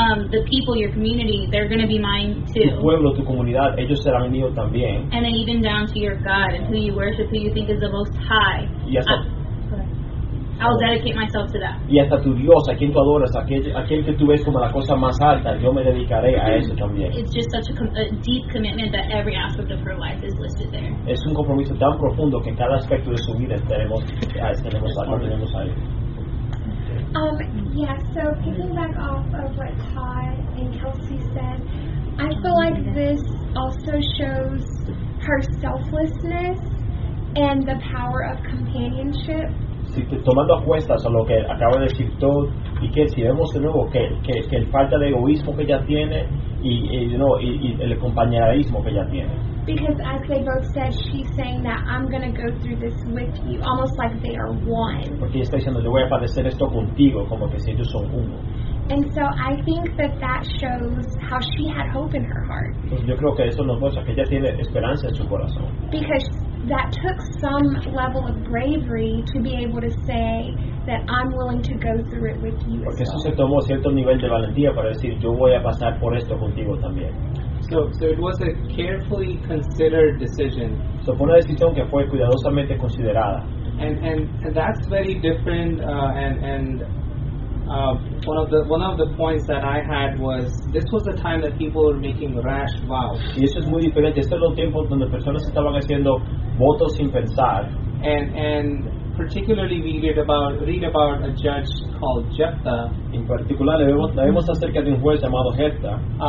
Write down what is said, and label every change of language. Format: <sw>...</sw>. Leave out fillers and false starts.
<en>The people, your community, they're going to be mine too.</en> <es>Tu pueblo, tu comunidad, ellos serán míos también.</es> <en>And then even down to your God and who you worship, who you think is the most high. Yes. I will dedicate myself to that.</en> <es>Y hasta tu Dios, a quien tú adoras, aquel que tú ves como la cosa más alta, yo me dedicaré a eso también.</es> <en>It's just such a deep commitment that every aspect of her life is listed there.</en> <es>Es un compromiso tan profundo que en cada aspecto de su vida tenemos ahí.</es> <en>Yeah, so picking back off of what Todd and Kelsey said, I feel like this also shows her selflessness and the power of companionship.</en> <es>Tomando a cuestas a lo que acaba de decir Todd y que si vemos de nuevo que el falta de egoísmo que ella tiene y el compañerismo que ella tiene.</es> <en>Because as they both said, she's saying that I'm going to go through this with you, almost like they are one.</en> <es>Porque ella está diciendo yo voy a padecer esto contigo, como que si ellos son uno.</es> <en>And so I think that that shows how she had hope in her heart.</en> <es>Pues yo creo que eso nos muestra que ella tiene esperanza en su corazón.</es> <en>Because that took some level of bravery to be able to say that I'm willing to go through it with you.</en> <es>Porque eso se tomó cierto nivel de valentía para decir yo voy a pasar por esto contigo también.</es> <en>So it was a carefully considered decision.</en> <es>So fue una decisión que fue cuidadosamente considerada.</es> <en>And that's very different one of the points that I had was this was the time that people were making rash vows.</en> <es>Y eso es muy diferente. Estos son tiempos donde personas estaban haciendo votos sin pensar.</es> <en>And particularly we read about a judge called Jephthah.</en> <es>En particular leemos acerca de un juez llamado Jephthah.</es>